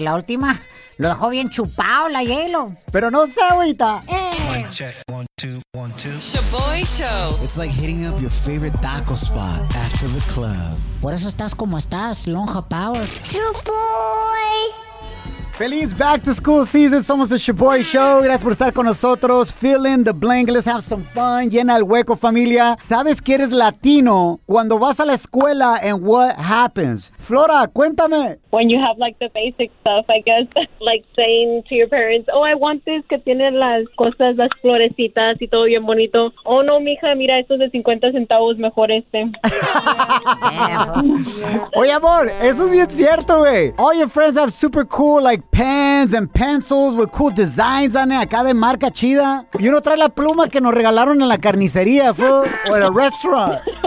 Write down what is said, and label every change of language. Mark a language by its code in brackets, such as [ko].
[es] La última lo dejó bien chupado la J-Lo. Pero no sé, ahorita. [en] One check, one, two, one, two. Shaboy Show. It's like hitting up your favorite taco spot after the club. [es] Por eso estás como estás, Lonja Power. [en] Shaboy. Feliz back to school season. Somos the Shaboy Show. [es] Gracias por estar con nosotros. [en] Fill in the blank. Let's have some fun. [es] Llena el hueco, familia. Sabes que eres latino cuando vas a la escuela [en] and what happens. [es] Flora, cuéntame. [en] When you have like the basic stuff, I guess, like saying to your parents, oh, I want this [es] que tiene las cosas, las florecitas y todo bien bonito. Oh, no, mija, mira, esto es de 50 centavos, mejor este. Yeah. Oye, amor, eso es bien cierto, güey. [en] All your friends have super cool, like, pens and pencils with cool designs on it, [es] acá de marca chida. Y uno trae la pluma que nos regalaron en la carnicería, fue, o en el restaurant.